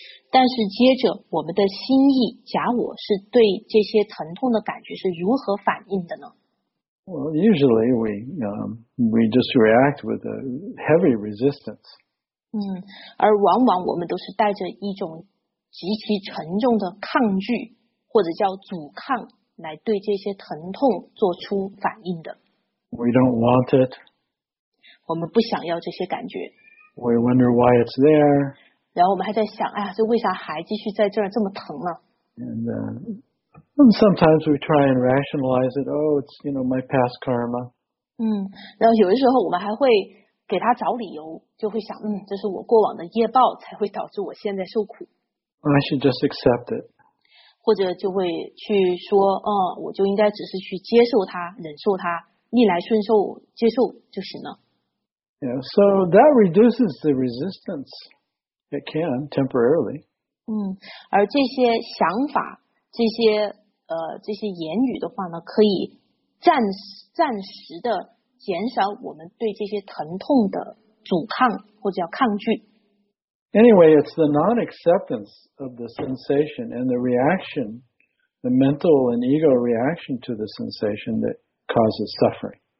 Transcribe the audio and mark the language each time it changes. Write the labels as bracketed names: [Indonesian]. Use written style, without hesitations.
[Chinese] 但是接着，我们的心意、假我是对这些疼痛的感觉是如何反应的呢？ [English] Well, usually we just react with a heavy resistance. [Chinese] 而往往我们都是带着一种极其沉重的抗拒，或者叫阻抗，来对这些疼痛做出反应的。 [English] We don't want it. [Chinese] 我们不想要这些感觉。 [English] We wonder why it's there. [Chinese] 然后我们还在想，哎呀，这为啥还继续在这儿这么疼呢？ [English] And sometimes we try and rationalize it. Oh, it's, you know, my past karma. [Chinese] 然后有的时候我们还会给他找理由，就会想，这是我过往的业报才会导致我现在受苦。 [English] I should just accept it. [Chinese] 或者就会去说，我就应该只是去接受它，忍受它，逆来顺受，接受就行了。 [English] Yeah, so that reduces the resistance. It can, temporarily. [Chinese] 而这些想法，这些言语的话呢，可以暂时的减少我们对这些疼痛的阻抗，或者叫抗拒。 [English] Anyway, it's the non-acceptance of the sensation and the reaction, the mental and ego reaction to the sensation that causes suffering.